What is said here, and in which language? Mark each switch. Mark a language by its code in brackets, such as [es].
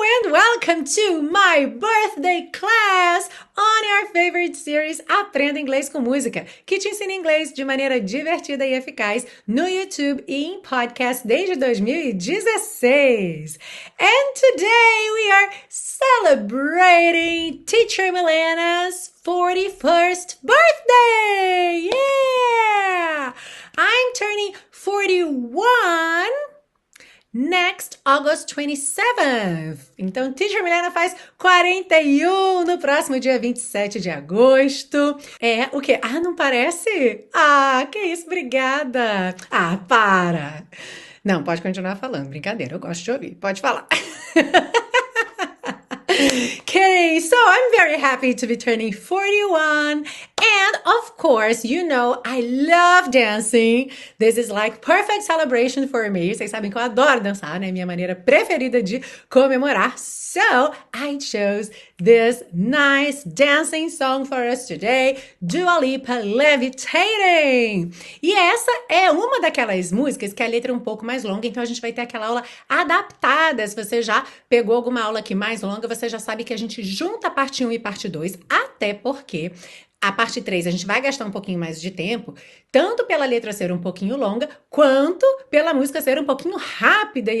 [en] Welcome to my birthday class on our favorite series [pt] Aprenda Inglês com Música, que te ensina inglês de maneira divertida e eficaz no YouTube e em podcast desde 2016. [en] And today we are celebrating Teacher Milena's 41st birthday! Yeah! I'm turning 41. Next, August 27th. [pt] Então, Teacher Milena faz 41 no próximo dia 27 de agosto. É o quê? Ah, não parece? Ah, que isso, obrigada. Ah, para. Não, pode continuar falando, brincadeira, eu gosto de ouvir. Pode falar. [en] Okay, so I'm very happy to be turning 41. And of course, you know, I love dancing. This is like perfect celebration for me. [pt] Vocês sabem que eu adoro dançar, né? Minha maneira preferida de comemorar. [en] So I chose this nice dancing song for us today, Dua Lipa Levitating. [pt] E essa é uma daquelas músicas que a letra é um pouco mais longa, então a gente vai ter aquela aula adaptada. Se você já pegou alguma aula aqui mais longa, você já sabe que a gente junta parte 1 e parte 2, até porque a parte 3 a gente vai gastar um pouquinho mais de tempo, tanto pela letra ser um pouquinho longa, quanto pela música ser um pouquinho rápida.